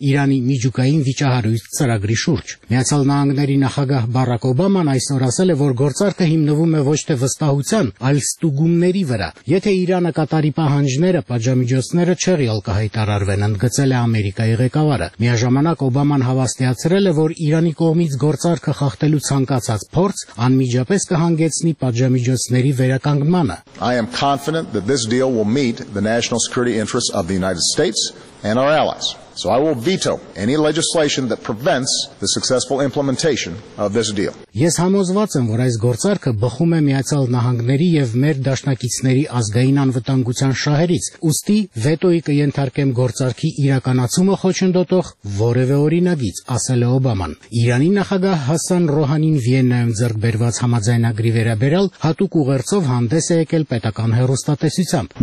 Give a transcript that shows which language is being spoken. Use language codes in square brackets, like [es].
[hy] Իրանի միջուկային վիճահարույց ծրագրի շուրջ։ Միացյալ Նահանգների նախագահ Բարակ Օբաման այսօր ասել է, որ գործարքը հիմնվում է ոչ թե վստահության, այլ ստուգումների վրա։ Եթե Իրանը կատարի պահանջները, պատժամիջոցները չեղի ալկահայտարարվեն, ընդգծել է Ամերիկայի ղեկավարը։ Միաժամանակ Օբաման հավաստիացրել է, որ Իրանի կողմից գործարքը խախտելու ցանկացած փորձ անմիջապես կհանգեցնի պատժամիջոցների վերականգնմանը։ [en] I am confident that this deal will meet the national security interests of the United States and our allies. So I will veto any legislation that prevents the successful implementation of this deal. [hy] Ես համոզված եմ, որ այս գործարքը բխում է Միացյալ Նահանգների եւ մեր դաշնակիցների ազգային անվտանգության շահերից։ Ուստի վետոյի կենթարկեմ գործարքի իրականացումը խոչընդոտող որևէ օրինագիծ, ասել է Օբաման։ Իրանի նախագահ Հասան Ռոհանին Վիեննայում ձեռք բերված համաձայնագրի վերաբերյալ հատուկ ուղերձով հանդես է եկել պետական հեռուստատեսությամբ։